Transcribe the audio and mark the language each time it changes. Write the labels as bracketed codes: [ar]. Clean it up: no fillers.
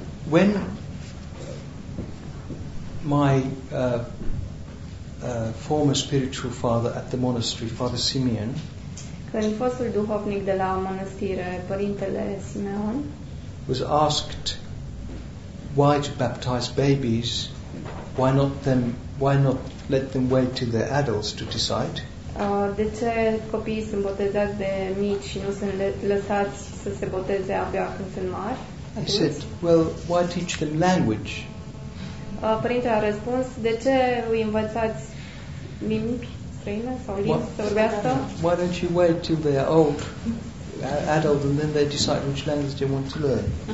[en] When my former spiritual father at the monastery, Father Simeon, [ro] când fostul duhovnic de la mănăstire, părintele Simeon, [en] was asked why to baptize babies, why not let them wait till they're adults to decide? [ro] De ce copiii sunt botezați de mici și nu sunt lăsați să se boteze abia când sunt mari? [en] He said, well, why teach them language? [ro] Părintele a răspuns, de ce îi învățați limbi străine sau limbi să vorbească? [en] Why don't you wait till they are old, adult, and then they decide which language they want to learn?